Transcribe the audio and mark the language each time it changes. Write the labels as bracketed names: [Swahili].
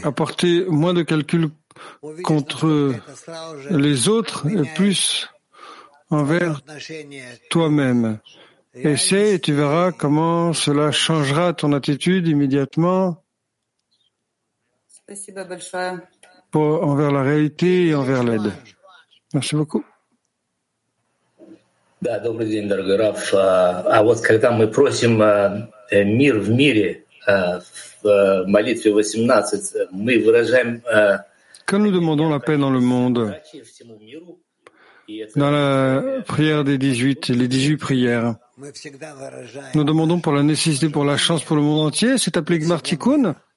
[French] Apporter moins de calcul contre les autres et plus envers toi-même. Essaye et tu verras comment cela changera ton attitude immédiatement. [Russian] Спасибо большое. [French] Envers la réalité et envers l'aide. Merci beaucoup. [Russian] Да, добрый день, дорогой Раф. А вот когда мы просим мир в мире, молитве 18 мы выражаем [French] quand nous demandons la paix dans le monde, dans la prière des 18, les 18 prières, nous demandons pour la nécessité, pour la chance pour le monde entier, c'est appelé Gmar Tikkun.